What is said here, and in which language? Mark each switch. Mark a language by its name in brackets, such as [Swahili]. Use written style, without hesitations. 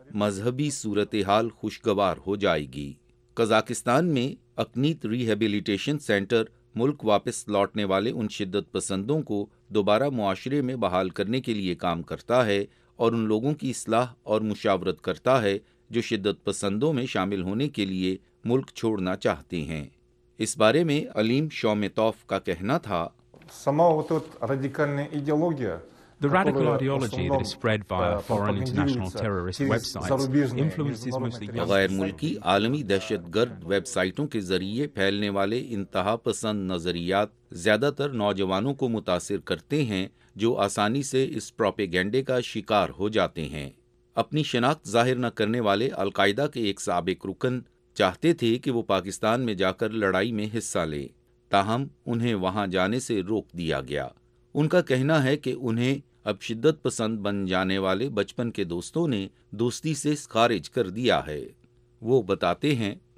[Urdu] مذہبی صورتحال خوشگوار ہو جائے گی۔ قزاقستان میں اکنیت ریہیبلیٹیشن سینٹر ملک واپس لوٹنے والے ان شدت پسندوں کو دوبارہ معاشرے میں بحال کرنے کے لیے کام کرتا ہے اور ان لوگوں کی اصلاح اور مشاورت کرتا ہے جو شدت پسندوں میں شامل ہونے کے لیے ملک چھوڑنا چاہتے ہیں۔ اس بارے میں علیم شومیتوف کا کہنا تھا، [English] The radical ideology that is spread via foreign international terrorist websites influences [Urdu] غیر ملکی عالمی دہشت گرد ویب سائٹوں کے ذریعے پھیلنے والے انتہا پسند نظریات زیادہ تر نوجوانوں کو متاثر کرتے ہیں، جو آسانی سے اس پروپیگنڈے کا شکار ہو جاتے ہیں۔ اپنی شناخت ظاہر نہ کرنے والے القاعدہ کے ایک سابق رکن چاہتے تھے کہ وہ پاکستان میں جا کر لڑائی میں حصہ لیں، تاہم انہیں وہاں جانے سے روک دیا گیا۔ ان کا کہنا ہے کہ انہیں اب شدت پسند بن جانے والے بچپن کے دوستوں نے دوستی سے خارج کر دیا ہے۔ وہ بتاتے ہیں،